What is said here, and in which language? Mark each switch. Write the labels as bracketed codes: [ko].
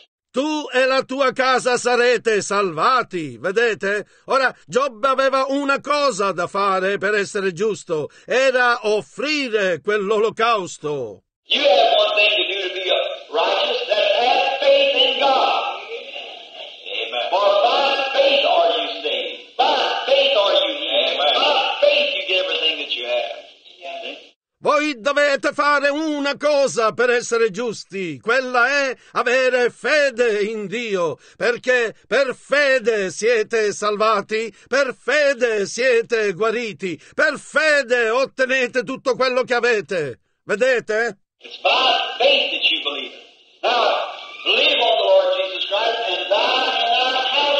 [it] Tu e la tua casa sarete salvati, vedete? Ora, Giobbe aveva una cosa da fare per essere giusto, era offrire quell'olocausto. [en] You have one thing to do to be righteous, that have faith in God. Amen. For by faith are you saved, by faith are you healed, Amen. By faith you get everything that you have. [it] Voi dovete fare una cosa per essere giusti, quella è avere fede in Dio, perché per fede siete salvati, per fede siete guariti, per fede ottenete tutto quello che avete. Vedete? [en] It's by faith that you believe. Now, believe on the Lord Jesus Christ and